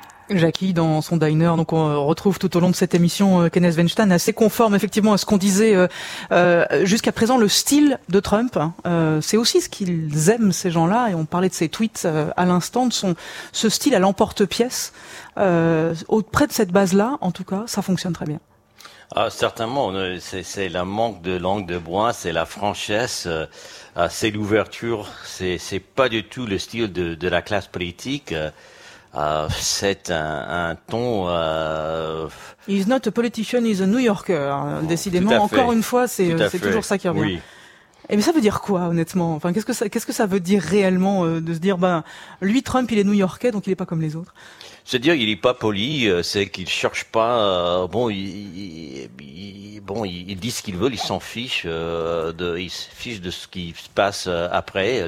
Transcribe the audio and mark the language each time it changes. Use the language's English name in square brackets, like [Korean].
[French] Jackie, dans son diner, donc on retrouve tout au long de cette émission Kenneth Weinstein, assez conforme effectivement à ce qu'on disait jusqu'à présent, le style de Trump, c'est aussi ce qu'ils aiment ces gens-là, et on parlait de ses tweets à l'instant, de ce style à l'emporte-pièce, auprès de cette base-là, en tout cas, ça fonctionne très bien. Ah, certainement, c'est le manque de langue de bois, c'est la franchise, c'est l'ouverture, c'est pas du tout le style de la classe politique. C'est un ton. [English] He's not a politician, he's a New Yorker. [French] Bon, décidément, encore une fois, c'est toujours ça qui revient. Oui. Et mais ça veut dire quoi, honnêtement? Enfin, qu'est-ce que ça veut dire réellement de se dire, lui, Trump, il est New Yorkais, donc il est pas comme les autres. C'est-à-dire, il est pas poli. C'est qu'il cherche pas. Il dit ce qu'il veut, il s'en fiche. Il se fiche de ce qui se passe après.